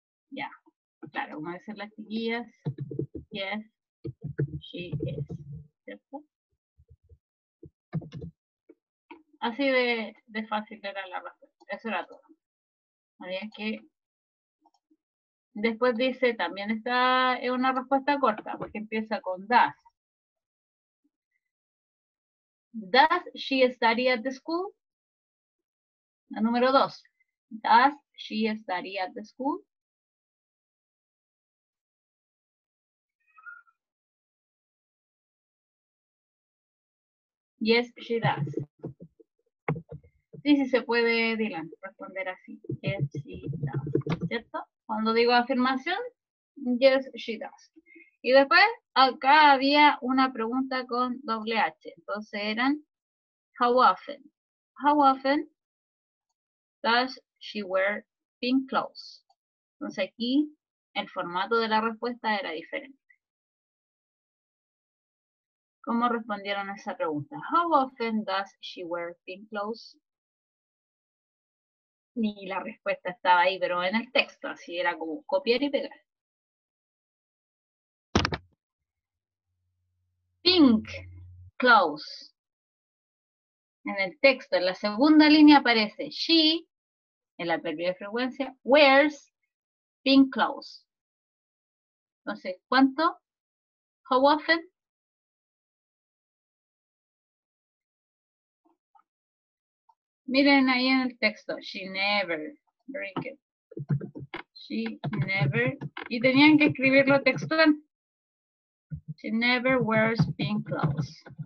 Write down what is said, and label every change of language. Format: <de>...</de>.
<es>Ya, claro, vamos a decir las chiquillas.</es> <en>Yes, she is.</en> <es>¿Cierto? Así de fácil era la respuesta. Eso era todo. Había que... Después dice, también está en una respuesta corta, porque empieza con Does.</es> <en>Does she study at the school?</en> <es>La número dos.</es> <en>Does she study at the school? Yes, she does.</en> <es>Sí, se puede, Dylan, responder así.</es> <en>Yes, she does.</en> <es>¿Cierto? Cuando digo afirmación,</es> <en>yes, she does.</en> <es>Y después, acá había una pregunta con doble H. Entonces eran,</es> <en>how often? How often does she wear pink clothes?</en> <es>Entonces aquí, el formato de la respuesta era diferente. ¿Cómo respondieron a esa pregunta?</es> <en>How often does she wear pink clothes?</en> <es>Ni la respuesta estaba ahí, pero en el texto, así era como copiar y pegar.</es> <en>Pink clothes.</en> <es>En el texto, en la segunda línea aparece she, el adverbio de frecuencia, wears pink clothes. Entonces, ¿cuánto?</es> <en>How often?</en> <es>Miren ahí en el texto,</es> <en>she never drinks. She never.</en> <es>Y tenían que escribirlo textual.</es> <en>She never wears pink clothes.</en>